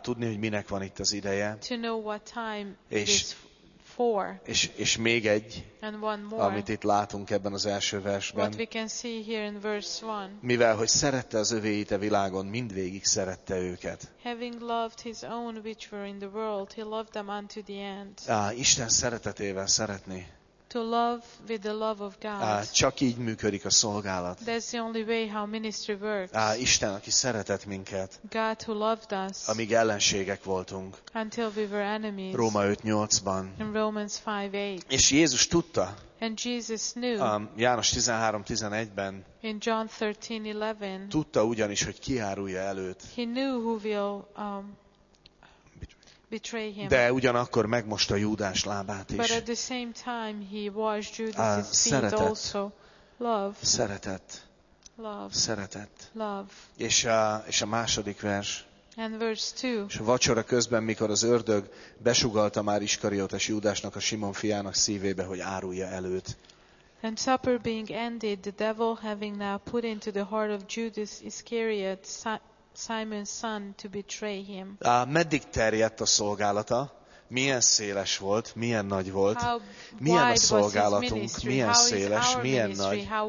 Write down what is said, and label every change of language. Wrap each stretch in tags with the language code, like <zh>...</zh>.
<hu>Tudni, hogy minek van itt az ideje.</hu> <en>To know what time is for.</en> <hu>És még egy, amit itt látunk ebben az első versben.</hu> <en>What we can see here in verse 1.</en> <hu>Mivel hogy szerette az övéit a világon, mindvégig szerette őket.</hu> <en>Having loved his own which were in the world, he loved them unto the end.</en> <hu>Isten szeretetével szeretni.</hu> <en>To love with the love of God.</en> <hu>Csak így működik a szolgálat.</hu> <en>That's the only way how ministry works.</en> <hu>Isten, aki szeretett minket.</hu> <en>God who loved us.</en> <hu>Amíg ellenségek voltunk.</hu> <en>Until we were enemies.</en> <hu>Róma 5:8-ban.</hu> <en>In Romans 5:8.</en> <hu>És Jézus tudta.</hu> <en>And Jesus knew.</en> <hu>János 13:11-ben.</hu> <en>In John 13:11.</en> <hu>Tudta ugyanis, hogy ki árulja előtt.</hu> <en>He knew who will betray him.</en> <hu>De ugyanakkor megmosta Júdás lábát is.</hu> <en>But at the same time he washed Judas's feet also. Love.</en> <hu>Szeretet.</hu> <en>Love.</en> <hu>Szeretet.</hu> <en>Love.</en> <hu>És a második vers.</hu> <en>And verse 2.</en> <hu>És a vacsora közben, mikor az ördög besugalta már Iskariotes Júdásnak, a Simon fiának szívébe, hogy árulja előtt.</hu> <en>And supper being ended, the devil having now put into the heart of Judas Iscariot, Simon's son, to betray him.</en> <hu>Meddig terjedt a szolgálata? milyen széles volt, milyen nagy volt, milyen a szolgálatunk, milyen széles, milyen nagy.</hu>